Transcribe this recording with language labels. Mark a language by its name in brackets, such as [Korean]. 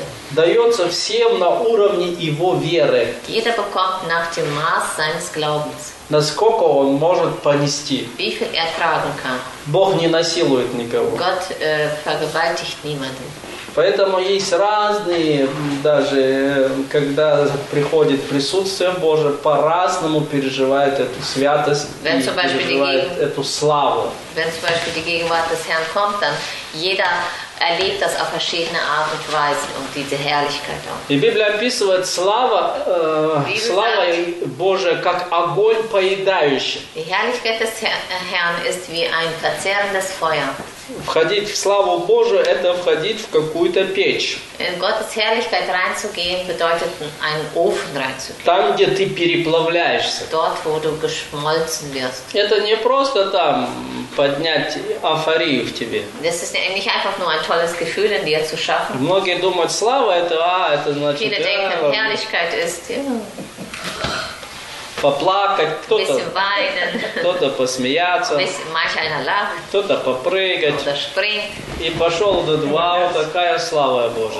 [Russian] Дается всем на уровне его веры. [German] Jeder bekommt nach dem Maß seines Glaubens. [Russian] Насколько он может понести. [German] Wie viel er tragen kann. [Russian] Бог не насилует никого. [German] Gott vergewaltigt niemanden. [Russian] Поэтому есть разные, даже когда приходит присутствие Божие, по-разному переживает эту святость [German] wenn [Russian] и переживает эту славу. [German] Wenn zum Beispiel die Gegenwart des Herrn kommt, dann jeder erlebt das auf verschiedene Art und Weise und diese Herrlichkeit auch. [Russian] И Библия описывает слава, славой Божией как огонь поедающий. [German] Die Herrlichkeit des Herrn ist wie ein verzehrendes Feuer. [Russian] Входить в славу Божию – это входить в какую-то печь. [German] In Gottes Herrlichkeit reinzugehen bedeutet, in einen Ofen reinzugehen. [Russian] Там, где ты переплавляешься. [German] Dort, wo du geschmolzen wirst. [Russian] Это не просто там поднять эйфорию в тебе. [German] Das ist nicht einfach nur ein tolles Gefühl in dir zu schaffen. [Russian] Многие думают, слава – это, это значит… [German] Viele denken, Herrlichkeit ist… [Russian] Поплакать, кто-то, кто-то посмеяться, кто-то попрыгать. И пошел этот, вау, какая слава